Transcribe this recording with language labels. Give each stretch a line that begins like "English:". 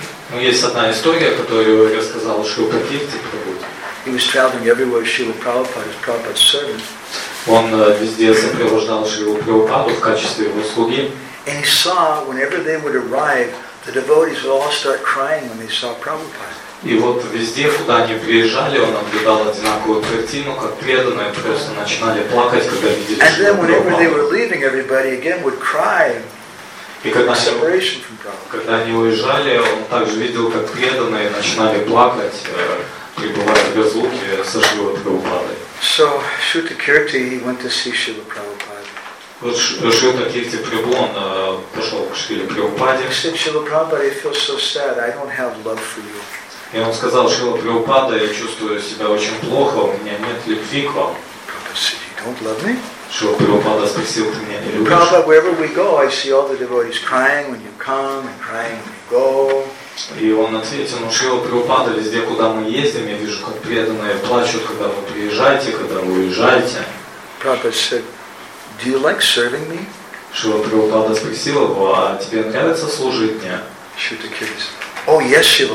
Russian: Ну есть одна история, которую я сказал Шрута Кирти Прабху.
English: He was traveling everywhere Shrila Prabhupada, his Prabhupada's servant.
Russian: Он везде сопровождал Шрилу Прабхупаду в качестве его слуги.
English: And he saw whenever they would arrive, the devotees would all start crying when they saw Prabhupada.
Russian: И вот везде, куда они приезжали, он наблюдал одинаковую картину, как преданные просто начинали плакать, когда видели Шрилу
English: Прабхупаду. And then whenever they were leaving, everybody again would cry.
Russian: И когда они уезжали, он также видел, как преданные начинали плакать, пребывая в разлуке со Шрилой Прабхупадой.
English: So, Shruti Kirti, he went to see Shrila Prabhupada.
Russian: Вот Шрута Кирти Прабху, он пошел к Шриле Прабхупаде.
English: He said, Shrila Prabhupada, I feel so sad, I don't have love for you.
Russian: И он сказал, Шрила Прабхупада, я чувствую себя очень плохо, у меня нет любви к вам.
English: Prabhupada said, you don't love me? Prabhupada, wherever we go, I see all the devotees crying when you come and crying when you go.
Russian: И он ответил, ну Шрила Прабхупада, везде, куда мы ездим, я вижу, как преданные плачут, когда вы приезжаете, когда вы уезжаете. Шрила Прабхупада спросил его, а тебе нравится служить мне? Шрила